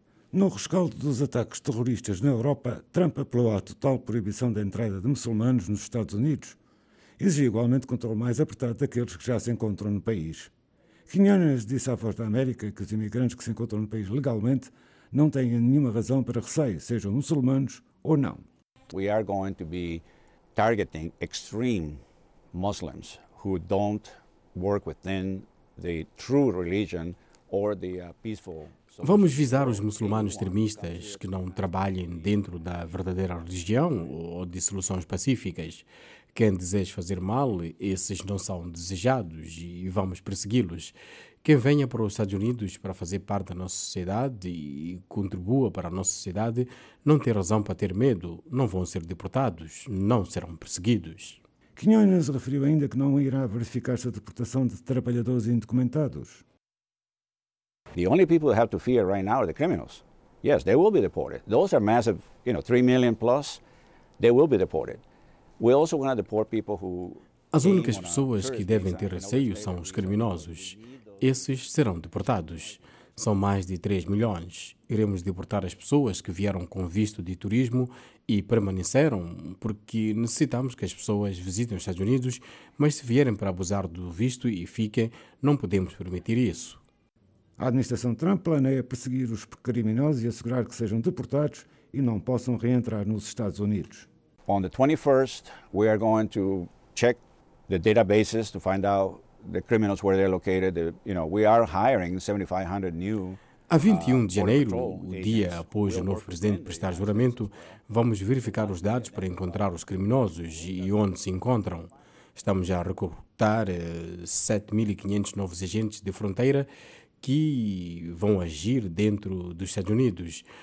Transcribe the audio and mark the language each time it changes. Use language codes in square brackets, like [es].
[pt] No rescaldo dos ataques terroristas na Europa, Trump apelou à total proibição da entrada de muçulmanos nos Estados Unidos. Exigiu igualmente controle mais apertado daqueles que já se encontram no país. Quiñones disse à Voz da América que os imigrantes que se encontram no país legalmente não têm nenhuma razão para receio, sejam muçulmanos ou não. [en] We are going to be targeting extreme Muslims who don't work within the true religion or the peaceful. [pt] Vamos visar os muçulmanos extremistas que não trabalhem dentro da verdadeira religião ou de soluções pacíficas. Quem deseja fazer mal, esses não são desejados e vamos persegui-los. Quem venha para os Estados Unidos para fazer parte da nossa sociedade e contribua para a nossa sociedade, não tem razão para ter medo. Não vão ser deportados, não serão perseguidos. Quiñones referiu ainda que não irá verificar-se a deportação de trabalhadores indocumentados. [en] The only people who have to fear right now are the criminals. Yes, they will be deported. Those are massive, you know, 3 million plus. They will be deported. We also want to deport people who. [pt] As únicas pessoas que devem ter receio são os criminosos. Esses serão deportados. São mais de 3 milhões. Iremos deportar as pessoas que vieram com visto de turismo e permaneceram, porque necessitamos que as pessoas visitem os Estados Unidos, mas se vierem para abusar do visto e fiquem, não podemos permitir isso. A administração Trump planeia perseguir os criminosos e assegurar que sejam deportados e não possam reentrar nos Estados Unidos. [en] On the 21st, we are going to check the databases to find out the criminals where they're located. You know, we are hiring 7,500 new. [pt] A 21 de janeiro, o dia após o novo presidente prestar juramento, vamos verificar os dados para encontrar os criminosos e onde se encontram. Estamos a recrutar 7,500 novos agentes de fronteira que vão agir dentro dos Estados Unidos.